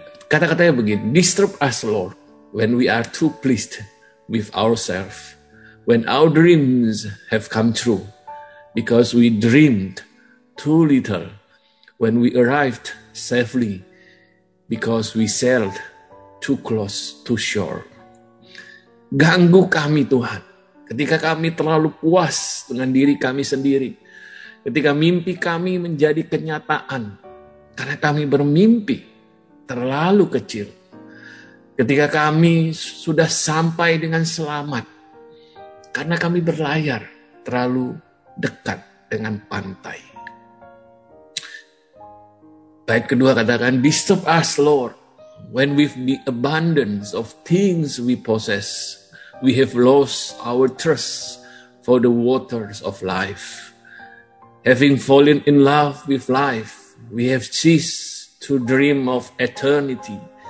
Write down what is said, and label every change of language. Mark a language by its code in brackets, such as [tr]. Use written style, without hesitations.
[id] Kata-katanya begini, [en] Disturb us, Lord, when we are too pleased with ourselves, when our dreams have come true, because we dreamed too little, when we arrived safely, because we sailed too close to shore. [id] Ganggu kami, Tuhan, ketika kami terlalu puas dengan diri kami sendiri, ketika mimpi kami menjadi kenyataan, karena kami bermimpi terlalu kecil. Ketika kami sudah sampai dengan selamat, karena kami berlayar terlalu dekat dengan pantai. Bait kedua katakan, [en] Disturb us, Lord, when with the abundance of things we possess, we have lost our trust for the waters of life. Having fallen in love with life, we have ceased to dream of eternity.